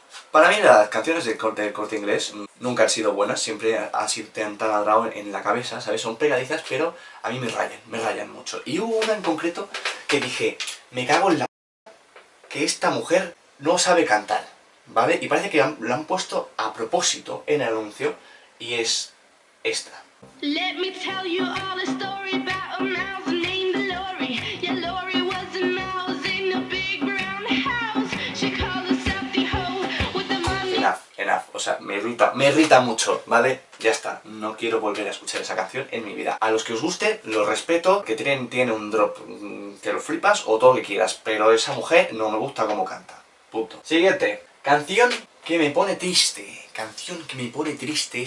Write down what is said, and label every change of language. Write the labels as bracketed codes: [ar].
[es] Para mí las canciones del corte inglés nunca han sido buenas, siempre te han taladrado en la cabeza, ¿sabes? Son pegadizas, pero a mí me rayan mucho. Y hubo una en concreto que dije, me cago en la p*** que esta mujer no sabe cantar, ¿vale? Y parece que la han puesto a propósito en el anuncio y es esta. [en] Let me tell you all the story about a mouse named Lori. Yeah, Lori was a mouse in a big brown house. She called herself the hoe with the money. Enough. [es] O sea, me irrita mucho, ¿vale? Ya está, no quiero volver a escuchar esa canción en mi vida. A los que os guste, lo respeto, que tiene un drop que lo flipas o todo lo que quieras, pero esa mujer no me gusta cómo canta. Punto. Siguiente. Canción que me pone triste. Canción que me pone triste.